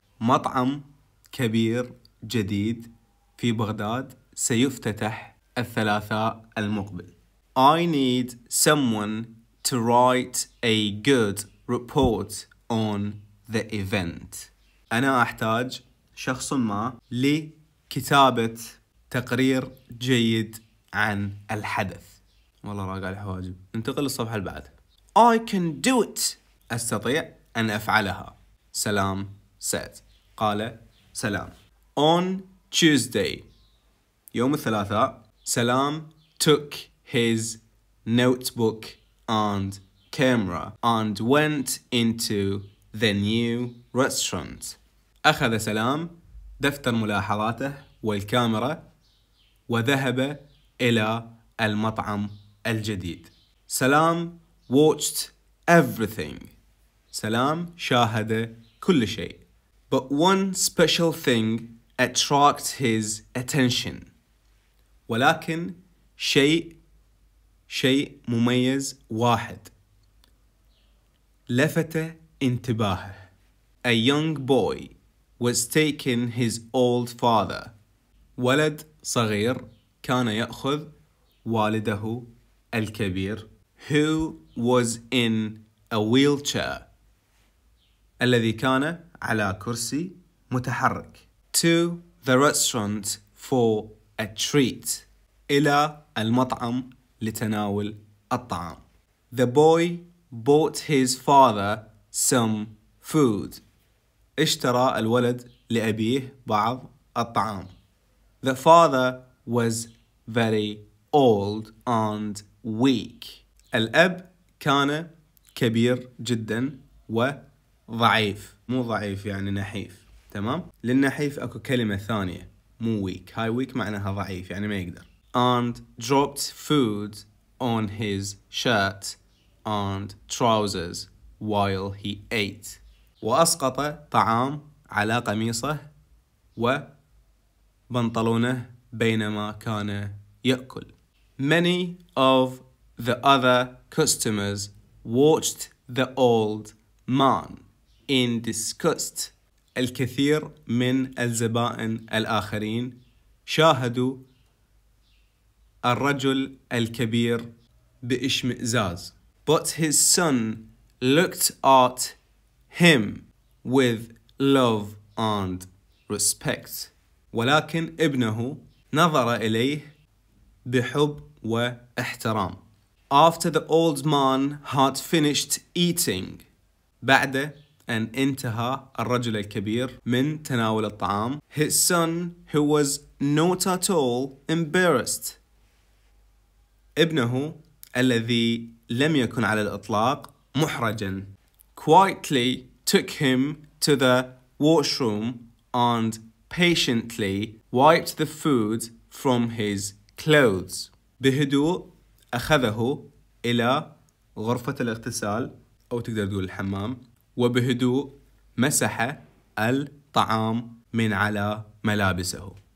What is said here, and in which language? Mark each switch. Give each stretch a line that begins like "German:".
Arabic: مطعم كبير جديد في بغداد سيفتتح الثلاثاء المقبل.
English: I need someone to write a good report on the event.
Arabic: أنا أحتاج شخص ما لكتابة تقرير جيد عن الحدث. والله راجع الحواجب. ننتقل للصفحة اللي بعد.
English: I can do it.
Arabic: أستطيع أن أفعلها. سلام said. قال سلام.
English: On Tuesday.
Arabic: يوم الثلاثاء.
English: سلام took his notebook and camera and went into the new restaurant.
Arabic: أخذ سلام دفتر ملاحظاته والكاميرا وذهب إلى المطعم الجديد.
English: سلام watched everything.
Arabic: سلام شاهد كل شيء.
English: But one special thing attracted his attention.
Arabic: ولكن شيء مميز واحد لفت انتباهه.
English: A young boy was taking his old father.
Arabic: ولد صغير كان يأخذ والده الكبير.
English: Who was in a wheelchair.
Arabic: الذي كان على كرسي متحرك.
English: To the restaurant for a treat.
Arabic: إلى المطعم لتناول الطعام.
English: The boy bought his father some food.
Arabic: اشترى الولد لأبيه بعض الطعام.
English: The father was very old and weak.
Arabic: الأب كان كبير جدا وضعيف. مو ضعيف يعني نحيف. تمام؟ للنحيف أكو كلمة ثانية. مو weak. هاي weak معناها ضعيف يعني ما يقدر.
English: And dropped food on his shirt and trousers while he ate.
Arabic: وأسقط طعام على قميصه وبنطلونه بينما كان يأكل.
English: Many of the other customers watched the old man in disgust.
Arabic: الكثير من الزبائن الآخرين شاهدوا الرجل الكبير بإشمئزاز.
English: But his son looked at him with love and respect.
Arabic: ولكن ابنه نظر إليه بحب واحترام.
English: After the old man had finished eating.
Arabic: بعد أن انتهى الرجل الكبير من تناول الطعام.
English: His son who was not at all embarrassed.
Arabic: ابنه الذي لم يكن على الإطلاق محرجاً.
English: Quietly took him to the washroom and patiently wiped the food from his clothes.
Arabic: بهدوء أخذه إلى غرفة الاغتسال أو تقدر تقول الحمام وبهدوء مسح الطعام من على ملابسه.